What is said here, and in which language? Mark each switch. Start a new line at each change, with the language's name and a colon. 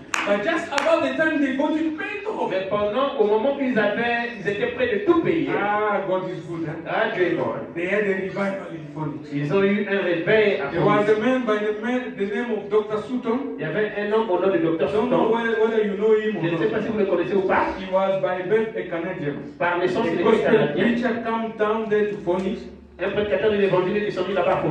English: But just about the time they got it paid off.
French: Mais pendant au moment qu'ils avaient, ils étaient prêts de tout payer.
English: Ah, God is good.
French: Ah, Dieu est bon.
English: They had a revival in Phoenix.
French: Ils ont eu un réveil.
English: There was a man by the name of Dr. Sutton.
French: Il y avait un homme au nom de Dr. Sutton.
English: Don't know whether you know him or not.
French: Je ne sais pas si vous le connaissez ou pas.
English: He was by birth a Canadian.
French: Par naissance, il était Canadien.
English: Richard came down there to Phoenix.
French: Un prédicateur de l'évangile qui sont mis là-bas pour